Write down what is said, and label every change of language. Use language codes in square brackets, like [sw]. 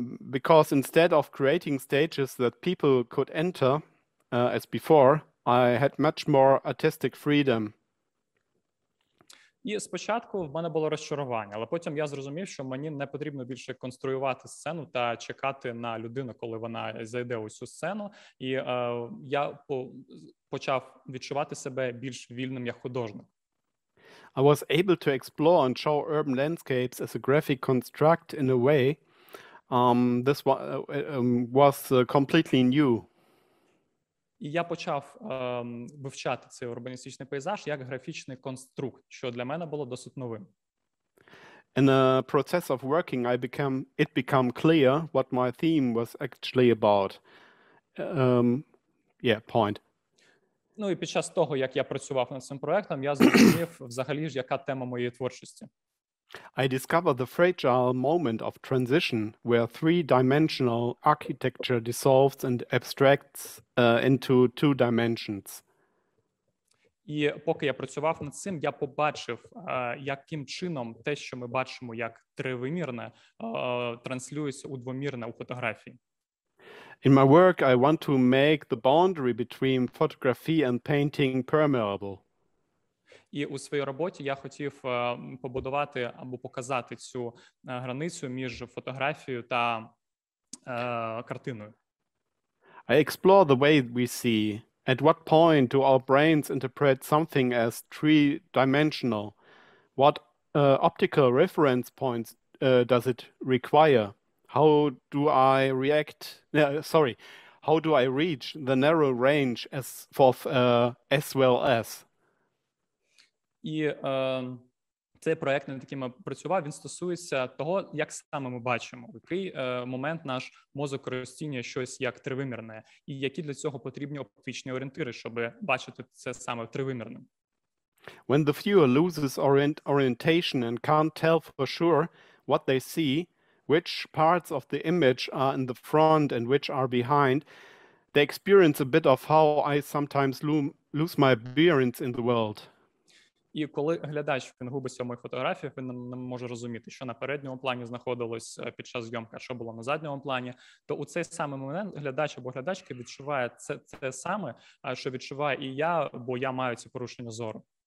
[en] Because instead of creating stages that people could enter, as before, I had much more artistic freedom. [uk] І спочатку в мене було розчарування, але потім я зрозумів, що мені не потрібно більше конструювати сцену та чекати на людину, коли вона зайде у цю сцену. І я почав відчувати себе більш вільним як художник. [en] I was able to explore and show urban landscapes as a graphic construct in a way this was completely new. [uk] І я почав вивчати цей урбаністичний пейзаж як графічний конструкт, що для мене було досить новим. [en] In the process of working, it became clear what my theme was actually about. Point. [uk] Ну і під час того, як я працював над цим проектом, я зрозумів взагалі ж, яка тема моєї творчості. [en] I discovered the fragile moment of transition where three-dimensional architecture dissolves and abstracts into two dimensions. [uk] І поки я працював над цим, я побачив, яким чином те, що ми бачимо як тривимірне, транслюється у двомірне у фотографії. [en] In my work, I want to make the boundary between photography and painting permeable. [uk] І у своїй роботі я хотів побудувати або показати цю границю між фотографією та картиною. [en] I explore the way we see. At what point do our brains interpret something as three-dimensional? What optical reference points does it require? How do I reach the narrow range as for as well as? [uk] І цей проєкт, над яким я працював, він стосується того, як саме ми бачимо, в який момент наш мозок розцінює щось як тривимірне, і які для цього потрібні оптичні орієнтири, щоб бачити це саме тривимірним. [en] When the viewer loses orientation and can't tell for sure what they see, which parts of the image are in the front and which are behind, they experience a bit of how I sometimes lose my bearings in the world. [uk] І коли глядач він губиться в моїх фотографіях, він не може розуміти, що на передньому плані знаходилось під час зйомки, а що було на задньому плані, то у цей самий момент глядач або глядачка відчуває це саме, що відчуваю і я, бо я маю ці порушення зору.